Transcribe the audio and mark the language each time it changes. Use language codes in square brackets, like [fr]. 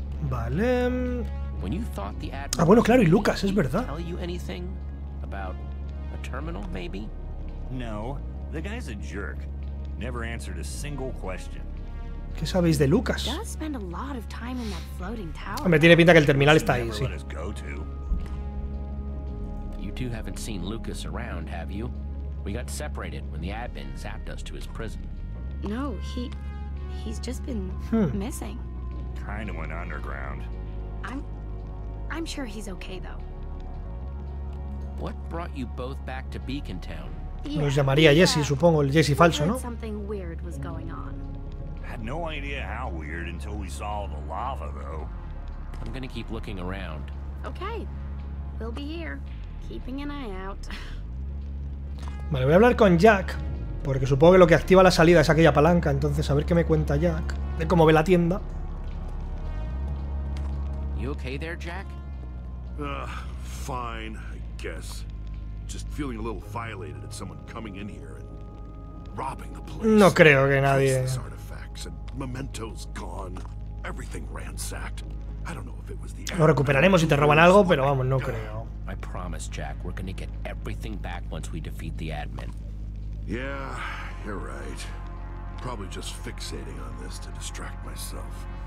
[es] Vale. Ah, bueno, claro, y Lucas, es verdad. [en] No, the guy's a jerk. Never answered a single question. [es] ¿Qué sabéis de Lucas? Hombre, tiene pinta que el terminal está ahí, sí. [en] You two haven't seen Lucas around, have you? We got separated when the admin zapped us to his prison. No, he's just been missing. Kind of went underground. I'm sure he's okay though. What brought you both back to Beacon Town? [es] Nos llamaría Jesse, supongo, el Jesse falso, ¿no? [en] Something weird was going on. Had no idea how weird until we saw the lava though. I'm gonna keep looking around. Okay. We'll be here, keeping an eye out. [es] Vale, voy a hablar con Jack Porque supongo que lo que activa la salida es aquella palanca. Entonces, a ver qué me cuenta Jack de cómo ve la tienda. [en] You okay there, Jack? Fine, I guess. Just feeling a little violated at someone coming in here and robbing the place. [es] No creo que nadie. [en] Artifacts and mementos gone. Everything ransacked. I don't know if it was the. [es] Lo recuperaremos si te roban algo, pero vamos, no creo. [en] I promise, Jack, we're gonna get everything back once we defeat the admin. Yeah, you're right. Probably just fixating on this to distract myself.